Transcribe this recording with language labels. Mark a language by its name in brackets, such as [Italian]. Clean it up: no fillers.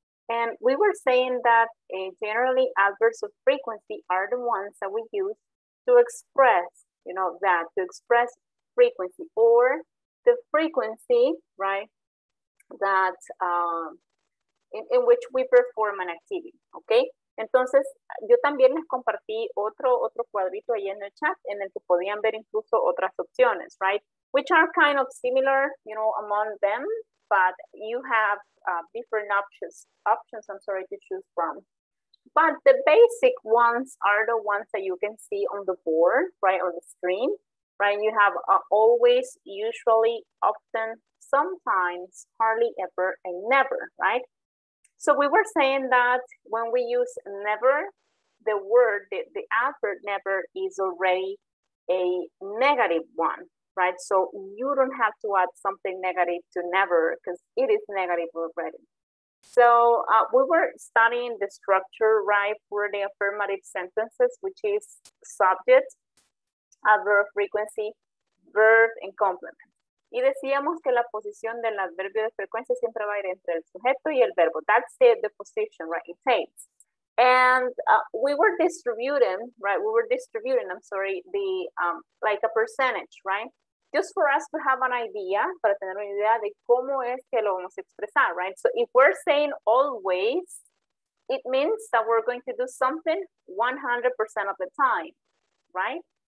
[English] And we were saying that generally adverbs of frequency are the ones that we use to express, you know, that, to express frequency or the frequency, right, that in which we perform an activity, okay? [Spanish] Entonces, yo también les compartí otro cuadrito ahí en el chat en el que podían ver incluso otras opciones, [English] right? Which are kind of similar, you know, among them. But you have different options, I'm sorry, to choose from. But the basic ones are the ones that you can see on the board, right, on the screen, right? You have always, usually, often, sometimes, hardly ever, and never, right? So we were saying that when we use never, the word, the adverb never is already a negative one. Right, so you don't have to add something negative to never because it is negative already. So we were studying the structure, right, for the affirmative sentences, which is subject, adverb frequency, verb, and complement. [Spanish] Y decíamos que la posición del adverbio de frecuencia siempre va a ir entre el sujeto y el verbo. [English] That's the position, right, it takes. And we were distributing the, like a percentage, right? Just for us to have an idea, [Spanish] para tener una idea de cómo es que lo vamos a expresar, [English] right? So if we're saying always, it means that we're going to do something 100% of the time, right?